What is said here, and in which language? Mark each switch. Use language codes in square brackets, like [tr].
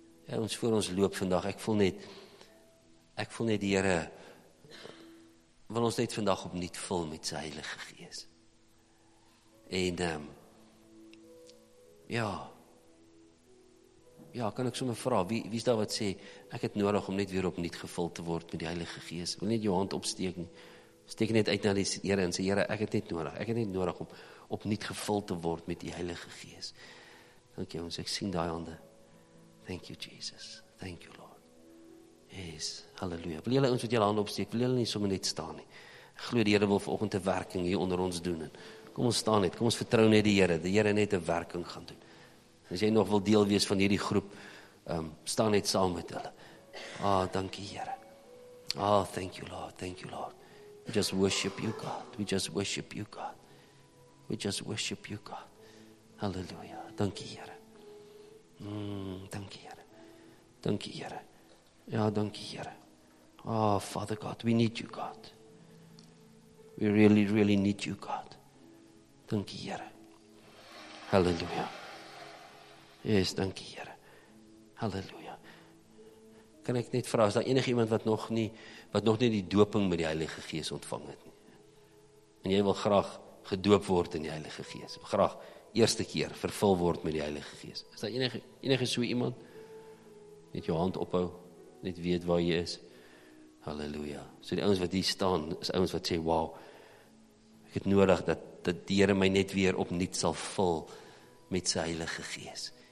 [af] Ja, ons voor ons loop vandag, ek voel net die Here wil ons net vandag opnuut vul met sy Heilige Gees. En, kan ek sommer vra, wie is daar wat sê, ek het nodig om net weer opnuut gevul te word met die Heilige Gees. Wil net jou hand opsteek nie. Steek net uit na die Here en sê, Here, ek het net nodig. Ek het net nodig om opnuut gevul te word met die Heilige Gees. Dankie, ons, ek sien die hande. [en] Thank you, Jesus. Thank you, Lord. [af] Yes, halleluja. Wil julle ons wat julle hande opsteek, wil julle nie sommer net staan nie. Ek glo die Here wil vanoggend 'n werking hier onder ons doen. En kom ons staan net, kom ons vertrou net die Here. Die Here net 'n werking gaan doen. As jy nog wil deel wees van hierdie groep, staan net saam met hulle. Ah, dankie Here. [en] Ah, thank you Lord, thank you Lord. We just worship you God, we just worship you God. We just worship you God. [af] Halleluja, dankie Here. Dankie Here. Dankie, Here. Ja, dankie, Here. [en] Oh, Father God, we need you, God. We really, really need you, God. [af] Dankie, Here. Halleluja. [en] Yes, [af] dankie, Here. Halleluja. Kan ek net vraag, is daar enig iemand wat nog nie die doping met die Heilige Gees ontvang het nie? En jy wil graag gedoop word in die Heilige Gees. Graag eerste keer vervul word met die Heilige Gees. Is daar enige so iemand? Net jou hand ophou, net weet waar jy is. Halleluja. So die ouens wat hier staan, is ouens wat sê, wow, ek het nodig dat die Here my net weer opnuut sal vul met sy Heilige Gees.